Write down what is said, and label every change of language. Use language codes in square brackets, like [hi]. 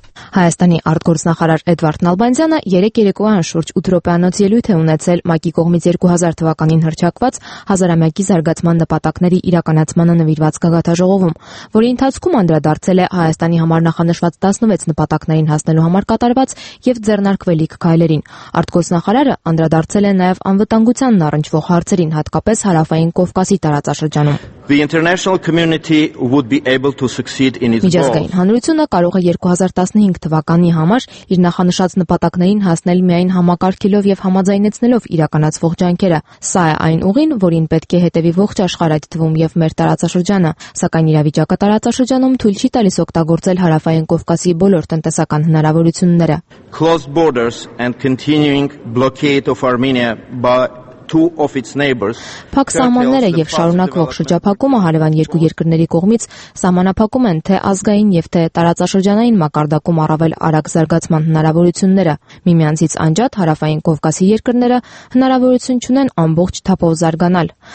[hy] Հայաստանի արտգործնախարար Էդվարդ Նալբանդյանը 3:30-ին շուրջ 8 րոպեանոց ելույթ է ունեցել ՄԱԿ-ի կողմից 2000 թվականին հրճակված հազարամյակի զարգացման նպատակների իրականացմանը նվիրված գագաթաժողովում, որի ընթացքում անդրադարձել է Հայաստանի համար նախանշված 16 նպատակներին հասնելու համար կատարված եւ ձեռնարկվելիք քայլերին։ Արտգործնախարարը անդրադարձել է նաեւ անվտանգությանն առնչվող հարցերին, հատկապես հարավային Կովկասի տարածաշրջանում։ [en] The international community would be able to succeed in its goal. [hy] Միջազգային հանրությունը կարող է 2015 թվականի համար իր նախանշած նպատակներին հասնել միայն համակարգելով եւ համաձայնեցնելով իրականացվող ջանքերը։ Սա է այն ուղին, որին պետք է հետևի ողջ աշխարհը այդ թվում եւ մեր տարածաշրջանը, սակայն իրավիճակը տարածաշրջանում թույլ չի տալիս օգտագործել հարավային Կովկասի բոլոր տնտեսական հնարավորությունները. [en] Closed borders and continuing blockade of Armenia by two of its neighbors. [hy] Փակ սահմանները եւ շարունակվող շրջափակումը հարևան երկու երկրների կողմից սահմանափակում են թե ազգային եւ թե տարածաշրջանային մակարդակում առավել արագ զարգացման հնարավորությունները։ Միմյանցից անջատ հարավային Կովկասի երկրները հնարավորություն ունեն ամբողջ թափով զարգանալ։